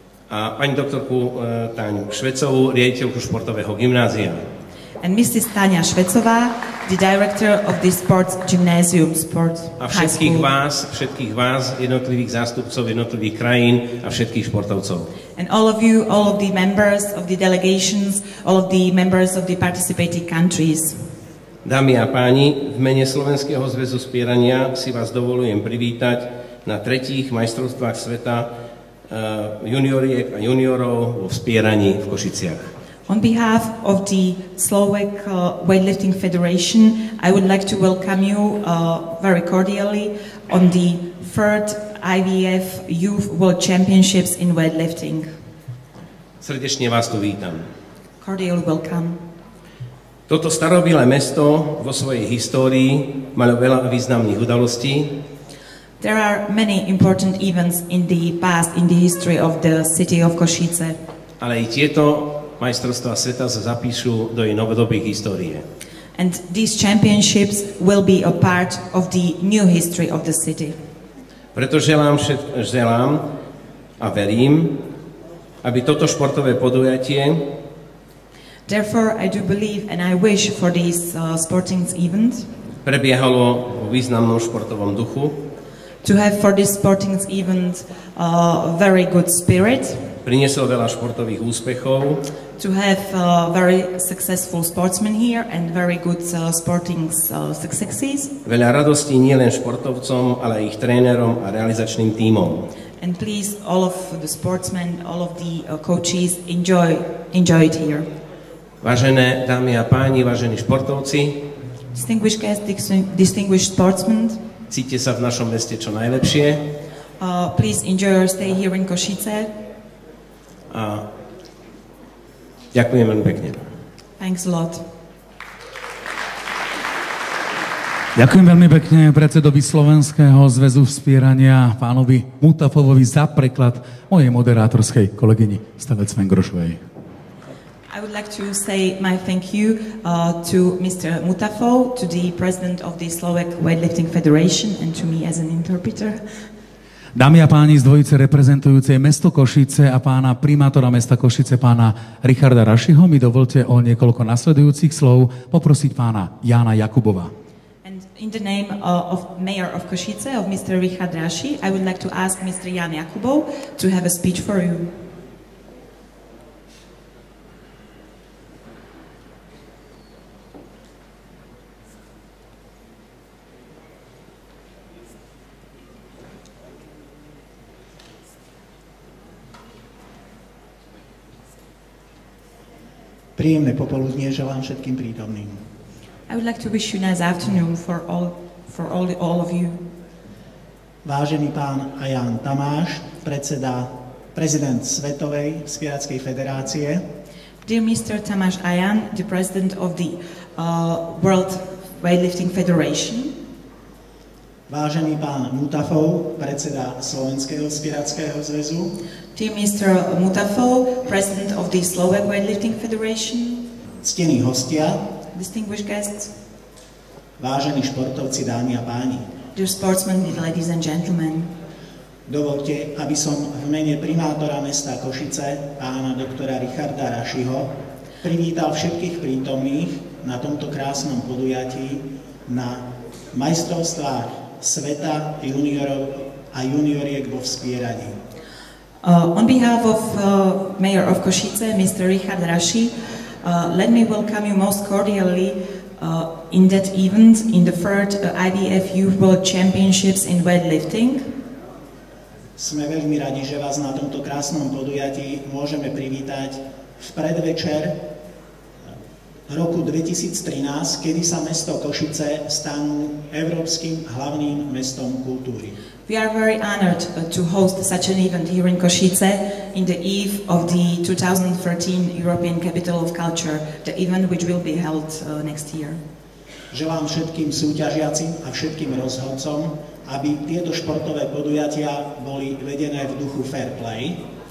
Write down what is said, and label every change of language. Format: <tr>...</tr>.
<sk>A pani doktorku Táňu Švecovú, riaditeľku športového gymnázia.</sk> <en>And Mrs. Tania Švecová, the director of the sports gymnasium, sports high school.</en> <sk>A všetkých vás, jednotlivých zástupcov, jednotlivých krajín a všetkých športovcov.</sk> <en>And all of you, all of the members of the delegations, all of the members of the participating countries.</en> <sk>Dámy a páni, v mene Slovenského zväzu spierania si vás dovolujem privítať na tretích majstrovstvách sveta junioriek a juniorov vo vzpieraní v Košiciach.</sk> <en>On behalf of the Slovak Weightlifting Federation, I would like to welcome you very cordially on the third IVF Youth World Championships in Weightlifting.</en> <sk>Srdečne vás tu vítam.</sk> <en>Cordially welcome.</en> <sk>Toto starobylé mesto vo svojej histórii malo veľa významných udalostí.</sk> <en>There are many important events in the past in the history of the city of Košice.</en> <sk>Ale i tieto majstrovstvá sveta sa zapíšu do jej novodobých histórie.</sk> <en>And these championships will be a part of the new history of the city.</en> <sk>Preto želám a verím, aby toto športové podujatie.</sk> <en>Therefore I do believe and I wish for this sporting event.</en> <sk>Prebiehalo vo významnom športovom duchu.</sk> <en>To have for this sporting event a very good spirit.</en> <sk>Prinieslo veľa športových úspechov.</sk> <en>To have very successful sportsmen here and very good sporting successes.</en> <sk>Veľa radosti nielen športovcom, ale ich trénerom a realizačným tímom.</sk> <en>And please all of the sportsmen, all of the coaches enjoy it here.</en> <sk>Vážené dámy a páni, vážení športovci.</sk> <en>Distinguished guests, distinguished sportsmen.</en> <sk>Cítite sa v našom meste čo najlepšie.</sk> <en>Please enjoy your stay here in Košice.</en> <sk>A ďakujem veľmi pekne.</sk> <en>Thanks a lot.</en> <sk>Ďakujem veľmi pekne predsedovi Slovenského zväzu vzpierania pánovi Mutafovovi za preklad mojej moderátorskej kolegyni Stavec Vengrošovej.</sk> <en>I would like to say my thank you to Mr. Mutafo, to the president of the Slovak Weightlifting Federation and to me as an interpreter.</en> <sk>Dámy a páni z dvojice reprezentujúcej mesto Košice a pána primátora mesta Košice, pána Richarda Rašiho, mi dovolte o niekoľko nasledujúcich slov poprosiť pána Jána Jakubova.</sk> <en>And in the name of mayor of Košice, of Mr. Richard Raši, I would like to ask Mr. Jan Jakubov to have a speech for you.</en> <sk>Príjemné popoludnie želám všetkým prítomným.</sk> <en>I would like to wish you a nice afternoon for all of you.</en> <sk>Vážený pán Jan Tamáš, predseda, prezident Svetovej vzpierackej federácie.</sk> <en>Dear Mr. Tamáš Jan, the president of the World Weightlifting Federation.</en> <sk>Vážený pán Mutafo, predseda Slovenského vzpierackého zväzu.</sk> <en>Dear Mr. Mutafo, President of the Slovak Weightlifting Federation.</en> <sk>Ctení hostia.</sk> <en>Distinguished guests.</en> <sk>Vážení športovci, dámy a páni.</sk> <en>Dear sportsmen, ladies and gentlemen.</en> <sk>Dovolte, aby som v mene primátora mesta Košice, pána doktora Richarda Rašiho, privítal všetkých prítomných na tomto krásnom podujatí na majstrovstvách sveta juniorov a junioriek vo vzpieraní.</sk> <en>On behalf of Mayor of Košice, Mr. Richard Rashi, let me welcome you most cordially in that event in the third IVF Youth World Championships in Weightlifting.</en> <sk>Sme veľmi radi, že vás na tomto krásnom podujatí môžeme privítať v predvečer roku 2013, kedy sa mesto Košice stane európskym hlavným mestom kultúry.</sk> <en>We are very honored to host such an event here in Košice in the eve of the 2013 European Capital of Culture, the event which will be held next year.</en> <sk>Želám všetkým súťažiacim a všetkým rozhodcom, aby tieto športové podujatia boli vedené v duchu fair play.</sk>